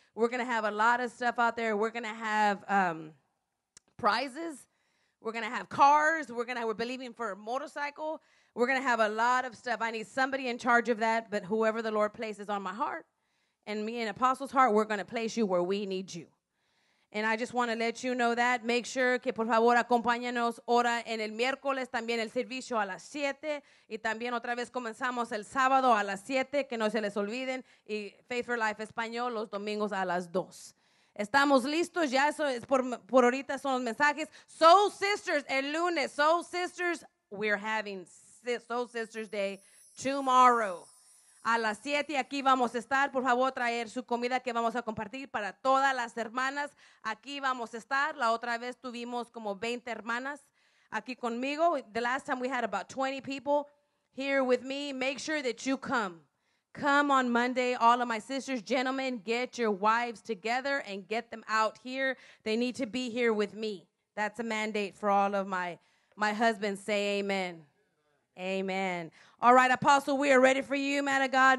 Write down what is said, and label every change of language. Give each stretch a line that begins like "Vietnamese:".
English: We're going to have a lot of stuff out there. We're going to have prizes. We're going to have cars. We're believing for a motorcycle. We're going to have a lot of stuff. I need somebody in charge of that, but whoever the Lord places on my heart and me and Apostle's heart, we're going to place you where we need you. And I just want to let you know that. Make sure
Spanish: que, por favor, acompáñanos ahora en el miércoles, también el servicio a las 7. Y también otra vez comenzamos el sábado a las 7, que no se les olviden. Y Faith for Life Español, los domingos a las 2. Estamos listos, ya eso es por ahorita son los mensajes.
English: Soul Sisters,
Spanish: el lunes,
English: Soul Sisters, we're having Soul Sisters Day tomorrow.
Spanish: A las 7 aquí vamos a estar. Por favor, traer su comida que vamos a compartir para todas las hermanas. Aquí vamos a estar. La otra vez tuvimos como 20 hermanas aquí conmigo.
English: The last time we had about 20 people here with me. Make sure that you come. Come on Monday, all of my sisters, gentlemen, get your wives together and get them out here. They need to be here with me. That's a mandate for all of my husbands. Say amen. Amen. All right, Apostle, we are ready for you, man of God.